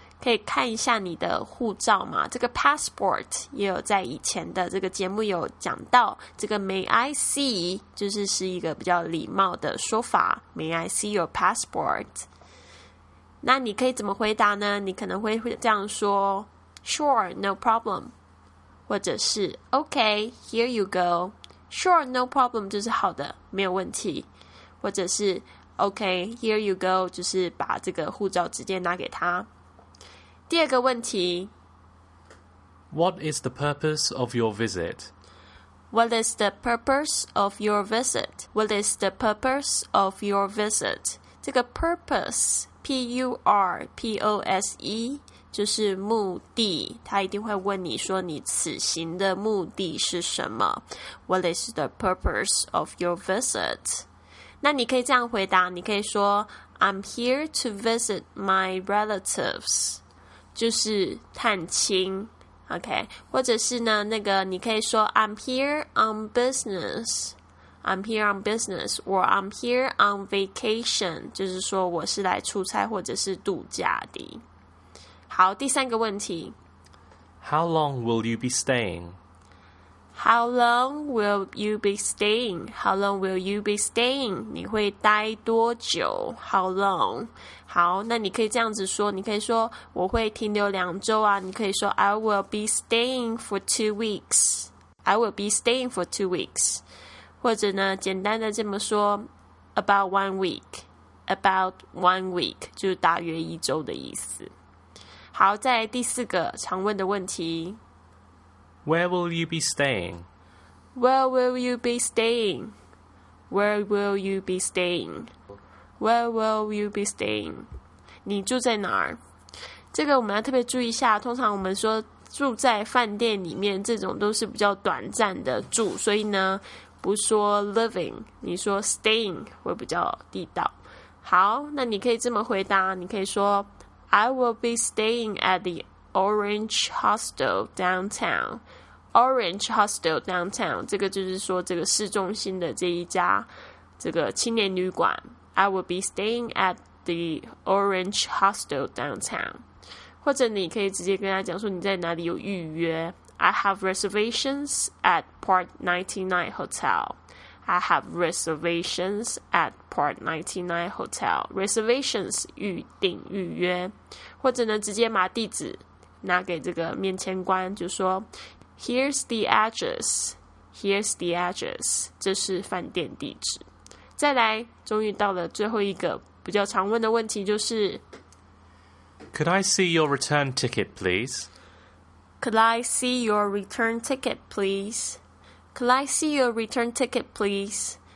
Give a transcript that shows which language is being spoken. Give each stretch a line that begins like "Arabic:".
Chinese: 可以看一下你的护照吗？这个 passport 也有在以前的这个节目有讲到，这个 May I see 就是是一个比较礼貌的说法 ，
English: May I see your passport?
Chinese: 那你可以怎么回答呢？你可能会这样说 ，
English: Sure, no problem. 或者是 OK, here you go. Sure, no problem,
Chinese: 就是好的，没有问题。或者是
English: OK, here you go,
Chinese: 就是把这个护照直接拿给他。第二个问题
English: What is the purpose of your visit? What is the purpose of your visit? What is the purpose of your visit?
Chinese: 这个 purpose, P-U-R-P-O-S-E,就是目的，他一定会问你说你此行的目的是什么 ？
English: What is the purpose of your visit？
Chinese: 那你可以这样回答，你可以说
English: I'm here to visit my relatives，
Chinese: 就是探亲 ，OK？或者是呢，那个你可以说
English: I'm here on business。 I'm here on business, or I'm here on vacation，
Chinese: 就是说我是来出差或者是度假的。好，第三个问题。
English: How long will you be staying? How long will you be staying? How long will you be staying?
Chinese: 你会待多久 ？
English: How long?
Chinese: 好，那你可以这样子说，你可以说我会停留两周啊。你可以说
English: I will be staying for 2 weeks. I will be staying for 2 weeks.
Chinese: 或者呢，简单的这么说 ，
English: about 1 week. About 1 week
Chinese: 就是大约一周的意思。好，再来第四个常问的问题。
English: Where will you be staying? Where will you be staying? Where will you be staying? Where will you be staying?
Chinese: 你住在哪儿？这个我们要特别注意一下，通常我们说住在饭店里面，这种都是比较短暂的住，所以呢，不说 living， 你说 staying 会比较地道。好，那你可以这么回答，你可以说
English: I will be staying at the Orange Hostel downtown. Orange Hostel downtown.
Chinese: 这个就是说这个市中心的这一家这个青年旅馆。
English: I will be staying at the Orange Hostel downtown.
Chinese: 或者你可以直接跟他讲说你在哪里有预约。
English: I have reservations at Park 99 Hotel. I have reservations at Park 99 Hotel.
Chinese: Reservations 预定预约。或者呢，直接把地址拿给这个面签官，就说 Here's the address.
English: Here's the address.
Chinese: 这是饭店地址。再来，终于到了最后一个比较常问的问题，就是
English: Could I see your return ticket, please? Could I see your return ticket, please? Could I see your return ticket, please?